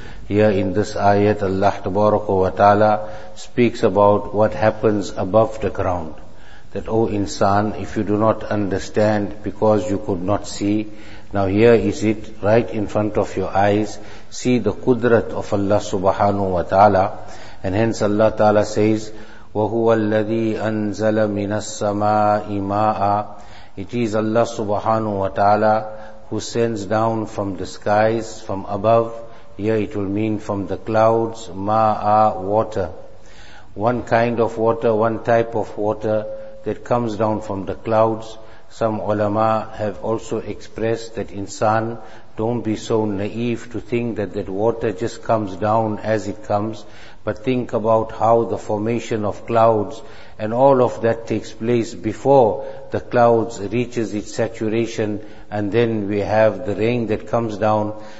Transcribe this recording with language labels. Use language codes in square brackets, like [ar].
[en] Here in this ayat, Allah tabaraka wa ta'ala speaks about what happens above the ground. That, O insan, if you do not understand because you could not see, now here is it right in front of your eyes. See the qudrat of Allah subhanahu wa ta'ala. And hence Allah ta'ala says, [ar] وَهُوَ الَّذِي أَنزَلَ مِنَ السَّمَاءِ مَاءً. [en] It is Allah subhanahu wa ta'ala who sends down from the skies, from above. Here it will mean from the clouds, ma'a, water. One kind of water, one type of water that comes down from the clouds. Some ulama have also expressed that insan, don't be so naive to think that that water just comes down as it comes, but think about how the formation of clouds and all of that takes place before the clouds reaches its saturation, and then we have the rain that comes down.